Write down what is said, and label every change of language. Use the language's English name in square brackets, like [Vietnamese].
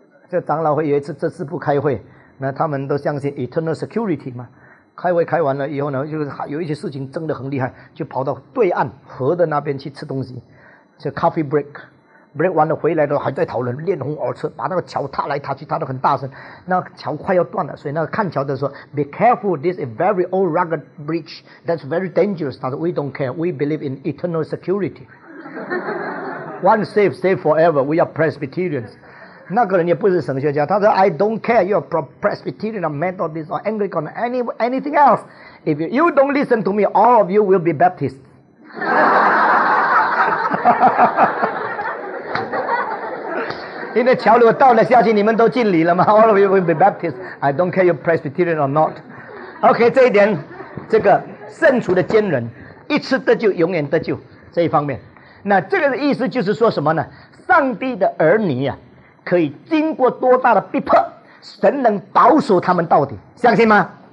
[Chinese] 这长老会有一次这次不开会，那他们都相信 Eternal Security 嘛，开会开完了以后呢，就是有一些事情争得很厉害，就跑到对岸河的那边去吃东西，就 coffee break， break 完了回来的还在讨论，脸红耳赤，把那个桥塌来塌去，塌得很大声，那桥快要断了，所以那个看桥的说 [English] be careful, this is a very old rugged bridge, that's very dangerous, [Chinese] 他说 [English] we don't care, we believe in eternal security, one safe, safe forever, we are Presbyterians。 [Chinese] 那个人也不是神学家，他说 [English] I don't care you are Presbyterian or Methodist or Anglican or anything else, if you don't listen to me all of you will be Baptist。 [Chinese] 因为桥如果倒了下去你们都敬礼了吗？ [English] All of you will be Baptist, I don't care you are Presbyterian or not。 [Chinese] OK, 这一点，这个圣徒的坚韧，一次得救永远得救，这一方面，那这个意思就是说什么呢？上帝的儿女啊，可以经过多大的逼迫，神能保守他们到底，相信吗？